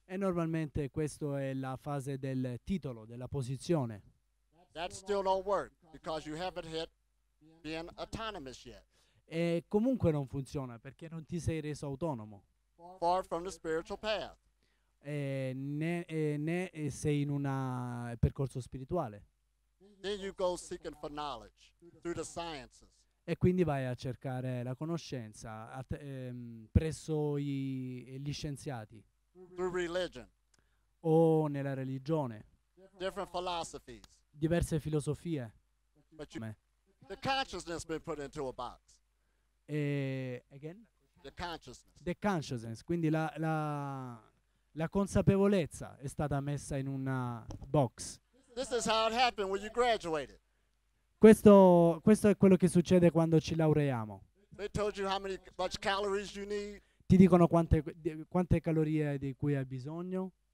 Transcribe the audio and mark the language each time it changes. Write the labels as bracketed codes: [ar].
[it] E normalmente questo è la fase del titolo, della posizione. [en] That still don't work because you haven't hit being autonomous yet. [it] E comunque non funziona perché non ti sei reso autonomo. [en] Far from the spiritual path. [it] Né sei in un percorso spirituale. [en] Then you go seeking for knowledge through the sciences. [it] E quindi vai a cercare la conoscenza presso gli scienziati. [en] Through religion. [it] O nella religione. [en] Different philosophies. [it] Diverse filosofie. [en] The consciousness been put into a box. E, again? The consciousness. The consciousness. [it] Quindi la consapevolezza è stata messa in una box. [en] This is how it happened when you graduated. [it] Questo è quello che succede quando ci laureiamo. [en] They told you how many, much calories you need. [it] Ti dicono quante calorie di cui hai bisogno.